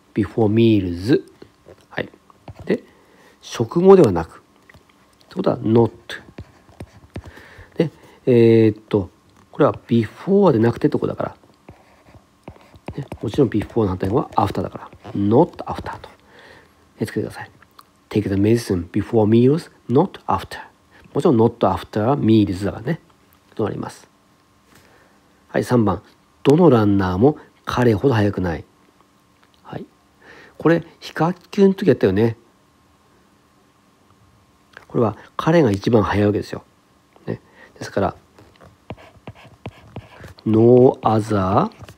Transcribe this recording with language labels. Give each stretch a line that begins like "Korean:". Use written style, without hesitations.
English: before meals。
Japanese: はい。で、食後ではなく。ってことは not。で、これは before でなくてってことだから。ね、もちろん before の反対語は after だから。
English: not after
Japanese: と。つけてください。
English: Take the medicine before meals, not after.
Japanese: もちろん
English: not after meals
Japanese: だからね。となります。はい、3番。どのランナーも彼ほど速くない。はい。これ、比較級の時やったよね。これは彼が一番速いわけですよ。ね、ですから、
English: No other...